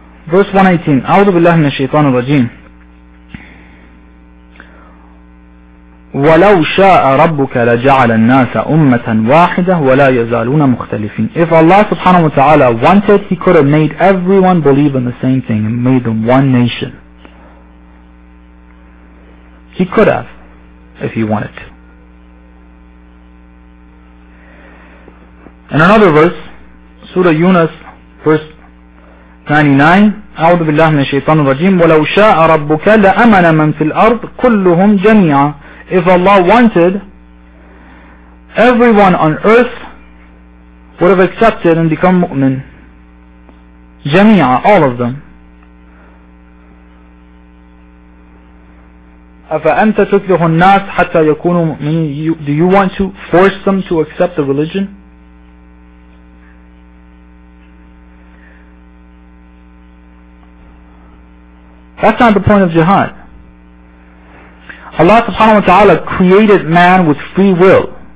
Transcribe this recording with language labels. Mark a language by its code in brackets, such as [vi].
[en] Verse 118, [ar] أعوذ بالله من الشيطان الرجيم ولو شاء ربك لجعل الناس أمة واحدة ولا يزالون مختلفين. [en] If Allah subhanahu wa ta'ala wanted, He could have made everyone believe in the same thing and made them one nation. He could have, if He wanted to. In another verse, Surah Yunus, verse 99, [ar] أعوذ بالله من الشيطان الرجيم ولو شاء ربك لأمن من في الأرض كلهم جميعا. [en] If Allah wanted, everyone on earth would have accepted and become mu'min. [ar] جميعا, [en] all of them. [ar] أفأنت تكره الناس حتى يكونوا مؤمنين. [en] Do you want to force them to accept the religion? That's not the point of jihad. Allah subhanahu wa ta'ala created man with free will.